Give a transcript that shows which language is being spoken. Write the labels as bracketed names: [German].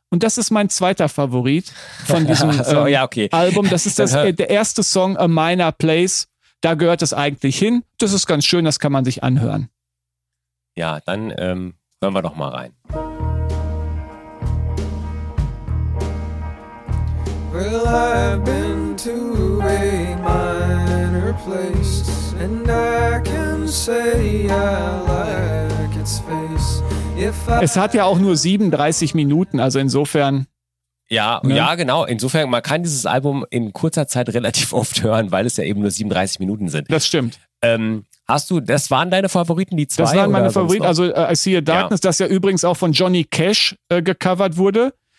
[German] Und das ist mein zweiter Favorit von diesem Album. Das ist der erste Song, A Minor Place. Da gehört es eigentlich hin. Das ist ganz schön, das kann man sich anhören. Ja, dann hören wir doch mal rein. [English] Well, I've been to a minor place, and I can say I like its face. [German] Es hat ja auch nur 37 Minuten, also insofern. Ja, ne? Ja, genau. Insofern, man kann dieses Album in kurzer Zeit relativ oft hören, weil es ja eben nur 37 Minuten sind. Das stimmt. Das waren deine Favoriten, die zwei? Das waren meine Favoriten, also I See a Darkness, das ja übrigens auch von Johnny Cash gecovert wurde.